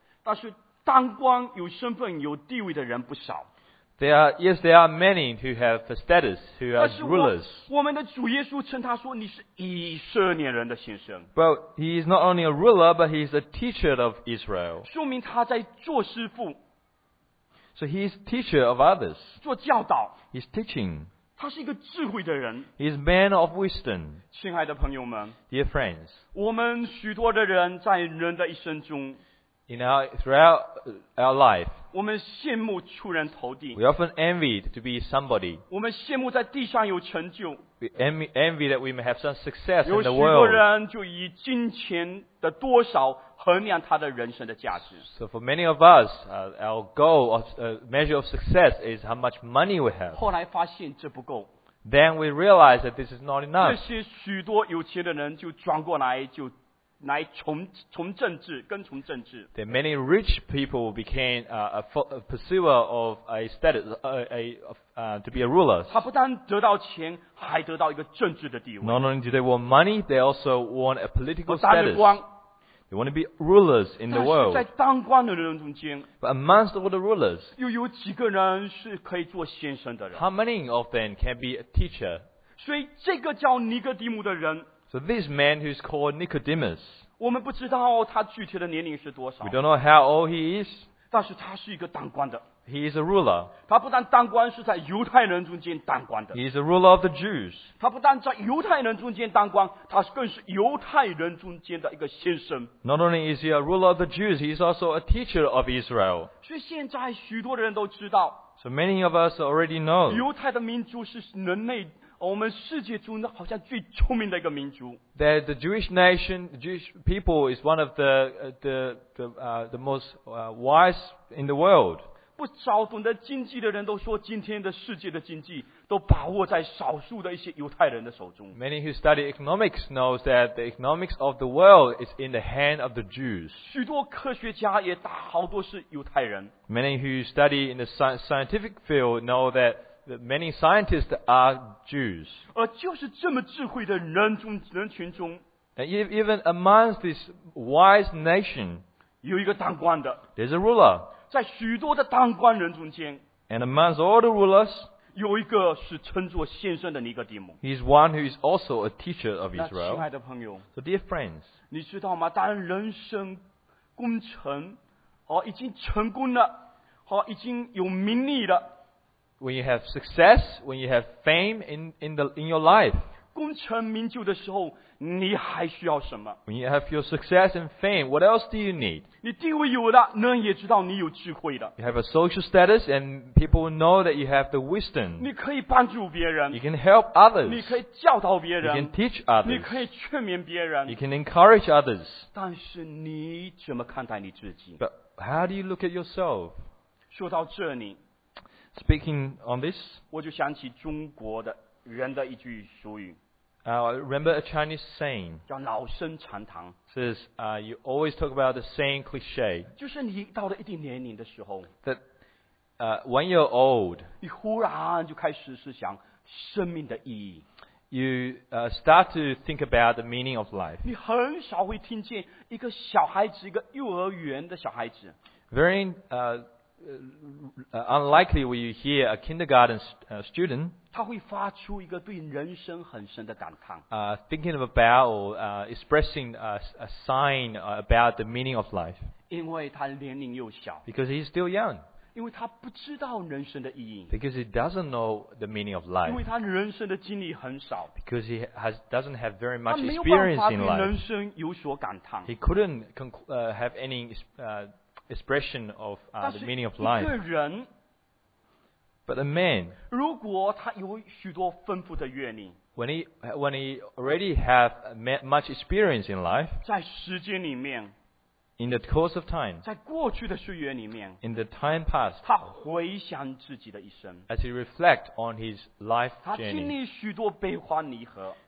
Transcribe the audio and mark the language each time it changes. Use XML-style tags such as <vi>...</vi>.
<zh>但是当官有身份有地位的人不少</zh> <en>There are many who have a status, who are rulers.</en> <zh>我们的主耶稣称他说你是以色列人的先生。</zh> <en>But he is not only a ruler, but he is a teacher of Israel.</en> <zh>说明他在做师父。</zh> <en>So he is teacher of others.</en> <zh>做教导。</zh> <en>He's teaching.</en> <zh>他是一个智慧的人。</zh> <en>He's a man of wisdom.</en> <zh>亲爱的朋友们</zh> <en>，Dear friends，</en> <zh>我们许多的人在人的一生中</zh> <en>，In our throughout our life，</en> <zh>我们羡慕出人头地。</zh> <en>We often envy to be somebody.</en> <zh>我们羡慕在地上有成就。</zh> <en>We envy that we may have some success in the world.</en> <zh>有许多人就以金钱的多少衡量他的人生的价值。</zh> <en>So for many of us, our goal of measure of success is how much money we have.</en> <zh>后来发现这不够。</zh> <en>Then we realize that this is not enough.</en> <zh>那些许多有钱的人就转过来就来从政治跟从政治。</zh> <en>Then many rich people became a pursuer of a status, to be a ruler.</en> <zh>他不但得到钱，还得到一个政治的地位。</zh> <en>Not only do they want money, they also want a political status. They want to be rulers in the world.</en> <zh>但是在当官的人中间</zh> <en>But amongst all the rulers,</en> <zh>又有几个人是可以做先生的人</zh> <en>How many of them can be a teacher?</en> <zh>所以这个叫尼哥底母的人</zh> <en>So this man who's called Nicodemus,</en> <zh>我们不知道他具体的年龄是多少</zh> <en>We don't know how old he is.</en> <zh>但是他是一个当官的</zh> <en>He is a ruler.</en> <zh>他不但当官是在犹太人中间当官的</zh> <en>He is a ruler of the Jews.</en> <zh>他不但在犹太人中间当官，他更是犹太人中间的一个先生。</zh> <en>Not only is he a ruler of the Jews, he is also a teacher of Israel.</en> <zh>所以现在许多人都知道。</zh> <en>So many of us already know.</en> <zh>犹太的民族是人类我们世界中好像最聪明的一个民族。</zh> <en>That the Jewish nation, the Jewish people is one of the most wise in the world.</en> <zh>不少懂得经济的人都说今天的世界的经济都把握在少数的一些犹太人的手中。</zh> <en>Many who study economics knows that the economics of the world is in the hand of the Jews.</en> <zh>许多科学家也大好多是犹太人。</zh> <en>Many who study in the scientific field know that many scientists are Jews.</en> <zh>而就是这么智慧的人群中</zh> <en>And even amongst this wise nation,</en> <zh>有一个当官的。</zh> <en>There's a ruler.</en> <zh>在许多的当官人中间</zh> <en>，and amongst all the rulers，</en> <zh>有一个是称作先生的尼哥底母。</zh> <en>He is one who is also a teacher of Israel。</en> <zh>亲爱的朋友</zh> <en>，so dear friends，</en> <zh>你知道吗？当人生功成，好已经成功了，好已经有名利了。</zh> <en>When you have success, when you have fame in your life，</en> <zh>功成名就的时候。你还需要什么</zh> <en>When you have your success and fame, what else do you need?</en> <zh>你地位有了，人也知道你有智慧的。</zh> <en>You have a social status and people know that you have the wisdom.</en> <zh>你可以帮助别人。</zh> <en>You can help others.</en> <zh>你可以教导别人。</zh> <en>You can teach others.</en> <zh>你可以劝勉别人。</zh> <en>You can encourage others.</en> <zh>但是你怎么看待你自己</zh> <en>But how do you look at yourself?</en> <zh>说到这里</zh> <en>Speaking on this,</en> <zh>我就想起中国的人的一句俗语。</zh> <en>Remember a Chinese saying</en> <zh>叫老生常谈</zh> <en>says you always talk about the same cliche</en> <zh>就是你到了一定年龄的时候</zh> <en>that when you're old</en> <zh>你忽然就开始是想生命的意义</zh> <en>you start to think about the meaning of life</en> <zh>你很少会听见一个小孩子一个幼儿园的小孩子</zh> <en>very unlikely will you hear a kindergarten student</en> <zh>他会发出一个对人生很深的感叹</zh> <en>thinking about or expressing a sign about the meaning of life</en> <zh>因为他年龄又小</zh> <en>because he's still young</en> <zh>因为他不知道人生的意义</zh> <en>because he doesn't know the meaning of life</en> <zh>因为他人生的经历很少</zh> <en>because he doesn't have very much experience in life</en> <zh>他没有办法对人生有所感叹</zh> <en>he couldn't have any expression of the meaning of life.</en> <zh>一个人,</zh> <en>But a man,</en> <zh>如果他有许多丰富的阅历,</zh> <en>when he already have much experience in life,</en> <zh>在时间里面,</zh> <en>in the course of time,</en> <zh>在过去的岁月里面,</zh> <en>in the time past,</en> <zh>他回想自己的一生,</zh> <en>as he reflect on his life journey,</en> <zh>他经历许多悲欢离合,</zh>